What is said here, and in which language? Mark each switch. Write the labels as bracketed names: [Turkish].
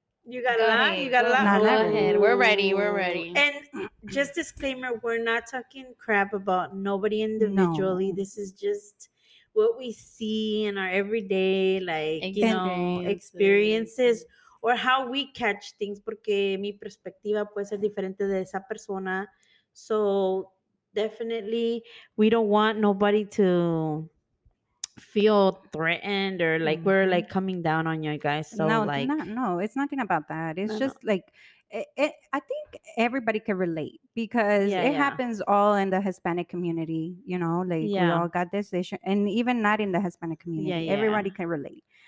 [English] You got a lot? You got a lot? Go ahead. We're ready. We're ready. And just disclaimer, we're not talking crap about nobody individually. No. This is just what we see in our everyday, like, experiences. Or how we catch things. [Spanish] Porque mi perspectiva puede ser diferente de esa persona. [English] So definitely we don't want nobody to feel threatened or like we're like coming down on you guys. So no, like no, it's nothing about that. It's just like I think everybody can relate because happens all in the Hispanic community, you know, like we all got this issue and even not in the Hispanic community. Everybody can relate.